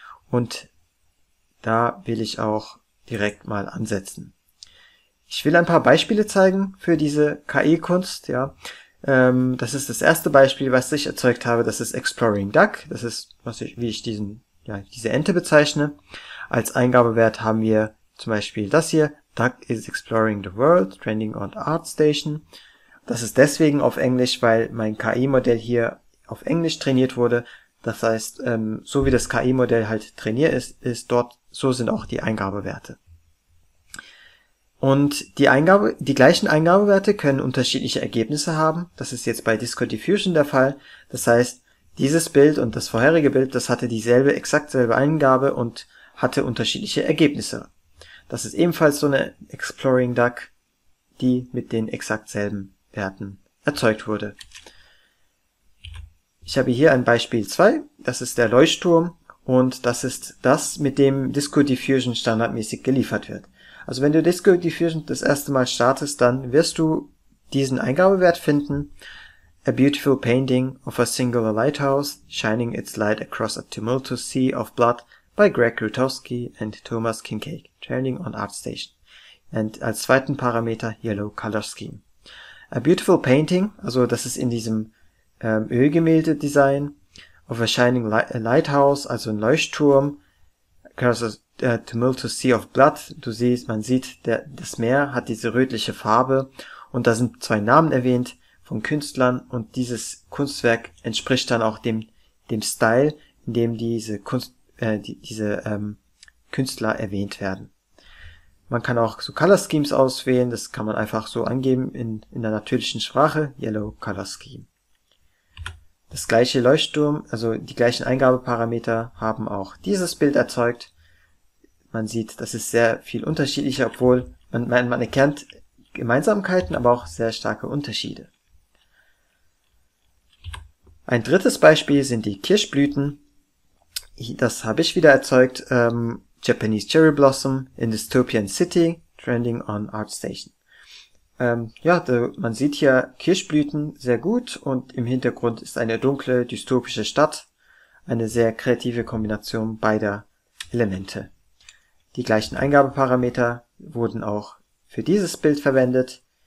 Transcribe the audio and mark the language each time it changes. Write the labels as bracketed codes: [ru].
[de] Und da will ich auch direkt mal ansetzen. Ich will ein paar Beispiele zeigen für diese KI-Kunst, ja. Das ist das erste Beispiel, was ich erzeugt habe. Das ist Exploring Duck. Das ist, wie ich diese Ente bezeichne. Als Eingabewert haben wir zum Beispiel das hier. [en] Duck is exploring the world, trending on Art Station. [de] Das ist deswegen auf Englisch, weil mein KI-Modell hier auf Englisch trainiert wurde. Das heißt, so wie das KI-Modell halt trainiert ist, ist dort, so sind auch die Eingabewerte. Und die gleichen Eingabewerte können unterschiedliche Ergebnisse haben. Das ist jetzt bei Disco Diffusion der Fall. Das heißt, dieses Bild und das vorherige Bild, das hatte dieselbe, exakt selbe Eingabe und hatte unterschiedliche Ergebnisse. Das ist ebenfalls so eine Exploring Duck, die mit den exakt selben Werten erzeugt wurde. Ich habe hier ein Beispiel 2. Das ist der Leuchtturm und das ist das, mit dem Disco Diffusion standardmäßig geliefert wird. Also wenn du Disco Diffusion das erste Mal startest, dann wirst du diesen Eingabewert finden. [en] A beautiful painting of a singular lighthouse, shining its light across a tumultuous sea of blood by Greg Rutowski and Thomas Kincaid, trending on Art Station. And [de] als zweiten Parameter [en] Yellow Color Scheme. A beautiful painting, [de] also das ist in diesem Ölgemälde-Design, [en] of a shining lighthouse, [de] also ein Leuchtturm, [en] Tumultuous Sea of Blood, [de] das Meer hat diese rötliche Farbe und da sind zwei Namen erwähnt von Künstlern und dieses Kunstwerk entspricht dann auch dem Style, in dem diese Künstler erwähnt werden. Man kann auch so Color Schemes auswählen, das kann man einfach so angeben in der natürlichen Sprache, [en] Yellow Color Scheme. [de] Das gleiche Leuchtturm, also die gleichen Eingabeparameter haben auch dieses Bild erzeugt. Man sieht, das ist sehr viel unterschiedlicher, obwohl man erkennt Gemeinsamkeiten, aber auch sehr starke Unterschiede. Ein drittes Beispiel sind die Kirschblüten. Das habe ich wieder erzeugt. [en] Japanese Cherry Blossom in Dystopian City, trending on Art Station. [de] Man sieht hier Kirschblüten sehr gut und im Hintergrund ist eine dunkle, dystopische Stadt. Eine sehr kreative Kombination beider Elemente. Die gleichen Eingabeparameter wurden auch für dieses Bild verwendet.